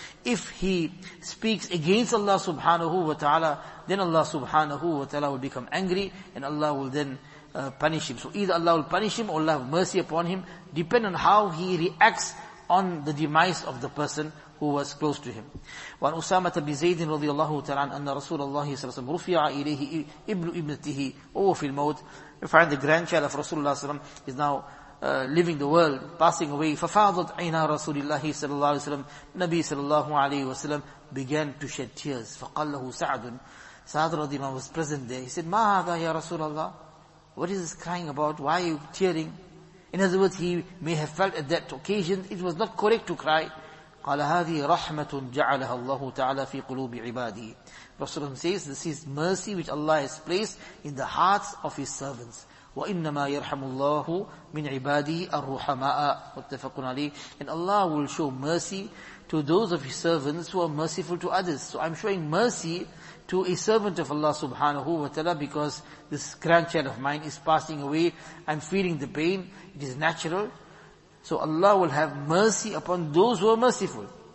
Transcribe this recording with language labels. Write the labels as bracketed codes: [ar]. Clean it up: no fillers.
[en] If he speaks against Allah subhanahu wa ta'ala, then Allah subhanahu wa ta'ala will become angry, and Allah will then punish him. So either Allah will punish him, or Allah will have mercy upon him, depend on how he reacts on the demise of the person who was close to him. [ar] وعن أسامة بن زيد رضي الله تعالى عنه أن رسول الله صلى الله عليه وسلم رفع إليه ابن ابنته وهو في الموت. [en] We find the grandchild of Rasulullah صلى الله عليه وسلم is now leaving the world, passing away. [ar] ففاضت عينا رسول الله صلى الله عليه وسلم. نبي صلى الله عليه وسلم [en] began to shed tears. [ar] فقال له سعد. سعد رضي الله عنه [en] was present there. He said, [ar] ما هذا يا رسول الله? [en] What is this crying about? Why are you tearing? In other words, he may have felt at that occasion it was not correct to cry. [ar] قال هذه رحمة جعلها الله تعالى في قلوب عباده. [en] رسول الله says this is mercy which Allah has placed in the hearts of His servants. [ar] وإنما يرحم الله من عباده الرحماء. متفق عليه. [en] And Allah will show mercy to those of His servants who are merciful to others. So I'm showing mercy to a servant of Allah subhanahu wa ta'ala because this grandchild of mine is passing away. I'm feeling the pain. It is natural. So Allah will have mercy upon those who are merciful.